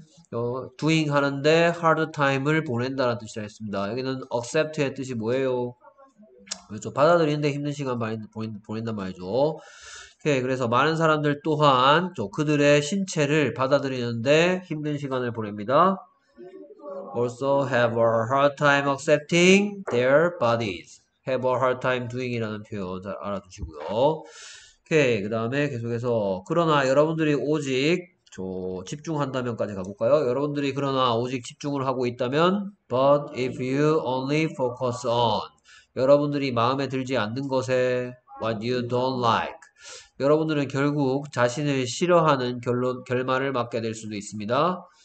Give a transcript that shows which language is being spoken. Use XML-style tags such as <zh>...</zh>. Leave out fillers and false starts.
<ko>doing 하는데 hard time을 보낸다는 뜻이 있습니다. 여기는 accept의 뜻이 뭐예요? 그렇죠. 받아들이는데 힘든 시간 많이 보낸단 말이죠. 오케이. 그래서 많은 사람들 또한 그들의 신체를 받아들이는데 힘든 시간을 보냅니다.</ko> <en>Also have a hard time accepting their bodies. Have a hard time doing</en> <ko>이라는 표현 잘 알아두시고요. 오케이. 그 다음에 계속해서 그러나 여러분들이 오직 집중한다면까지 가볼까요? 여러분들이 그러나 오직 집중을 하고 있다면</ko> <en>But if you only focus on</en> <ko>여러분들이 마음에 들지 않는 것에</ko> <en>What you don't like</en> <ko>여러분들은 결국 자신을 싫어하는 결말을 맞게 될 수도 있습니다.</ko>